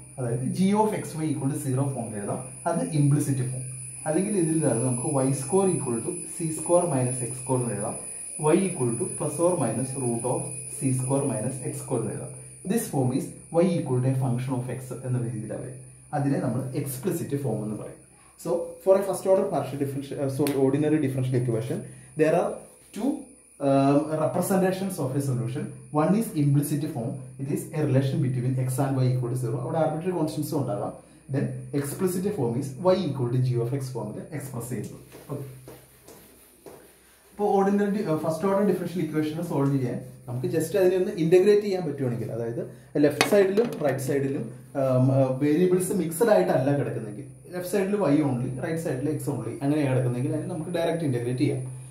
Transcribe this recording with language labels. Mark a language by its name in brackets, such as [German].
[Malayalam] അതായത് G of X Y equal to zero form എഴുതാം, അത് ഇംപ്ലിസിറ്റ് ഫോം. അല്ലെങ്കിൽ ഇതിൽ നിന്ന് നമുക്ക് Y score equal to C score minus X score എന്ന് എഴുതാം, Y equal two plus or minus root of C score minus X score എന്ന് എഴുതാം. [English] this form is y equal to a function of x [Malayalam] എന്ന രീതിയിലാണ് വരും. അതിനെ നമ്മൾ explicit form എന്ന് പറയും. [English] So, for a first order partial differential, ordinary differential equation, there are two representations of a solution. One is implicit form. It is a relation between x and y equal to 0. Our arbitrary constants are under. Then, explicit form is y equal to g of x form. Then, express it. Okay. [Malayalam] ഇപ്പോൾ ordinary first order differential ഇക്വേഷനെ solve ചെയ്യാൻ നമുക്ക് just അതിനൊന്ന് integrate ചെയ്യാൻ പറ്റുവാണെങ്കിൽ, അതായത് left സൈഡിലും right സൈഡിലും variables mixed ആയിട്ടല്ല കിടക്കുന്നെങ്കിൽ, ലെഫ്റ്റ് സൈഡിൽ വൈ ഓൺലി റൈറ്റ് സൈഡിൽ എക്സ് ഓൺലി അങ്ങനെയാണ് കിടക്കുന്നെങ്കിൽ അതിന് നമുക്ക് ഡയറക്റ്റ് ഇൻ്റഗ്രേറ്റ് ചെയ്യാം.